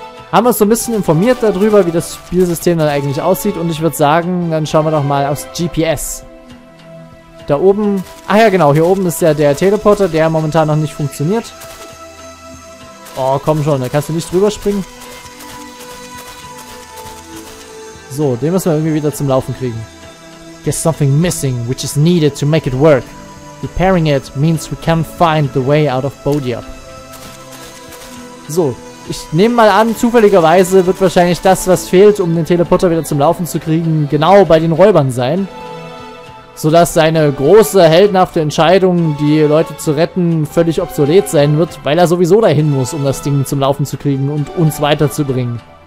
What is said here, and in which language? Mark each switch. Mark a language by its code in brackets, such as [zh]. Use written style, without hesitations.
[de] Haben wir uns so ein bisschen informiert darüber, wie das Spielsystem dann eigentlich aussieht. Und ich würde sagen, dann schauen wir doch mal aufs GPS. Da oben... Ah ja, genau. Hier oben ist ja der Teleporter, der momentan noch nicht funktioniert. Oh, komm schon. Da kannst du nicht drüber springen. So, den müssen wir irgendwie wieder zum Laufen kriegen. [en] There's something missing, which is needed to make it work. Repairing it means we can find the way out of Bodia. [de] So, ich nehme mal an, zufälligerweise wird wahrscheinlich das, was fehlt, um den Teleporter wieder zum Laufen zu kriegen, genau bei den Räubern sein. Sodass seine große, heldenhafte Entscheidung, die Leute zu retten, völlig obsolet sein wird, weil er sowieso dahin muss, um das Ding zum Laufen zu kriegen und uns weiterzubringen.